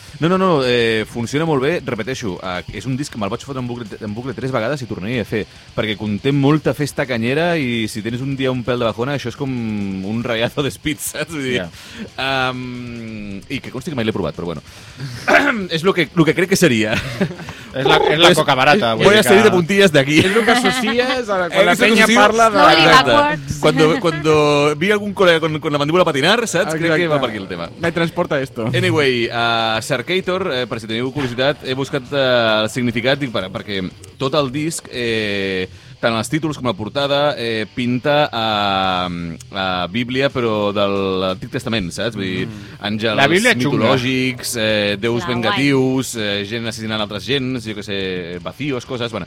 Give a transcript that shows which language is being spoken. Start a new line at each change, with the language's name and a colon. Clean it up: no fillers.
Catalan: No, no, no, funciona molt bé, repeteixo, és un disc que me'l vaig fotre en bucle 3 vegades i tornaria a fer, perquè conté molta festa canyera i si tens un dia un pèl de bajona, això és com un rayazo de speed, saps? Vull dir? Yeah. I que consti que mai l'he provat, però bueno. És el que crec que seria. és la coca barata. Vull a seguir de puntilles d'aquí. És el que associes quan la penya parla de... No, exacte.
Spanish: Cuando vi algún colega con la mandíbula a patinar, ¿saps? Creo que va por aquí el tema. Me transporta esto.
Catalan: Anyway, Sarkator, per si teniu curiositat, he buscat el significat perquè tot el disc, tant els títols com la portada, pinta a Bíblia, però del Antic Testament, saps? Vull dir, àngels mitològics, déus vengatius, gent assassinant altres gens, jo què sé, vacíos, coses...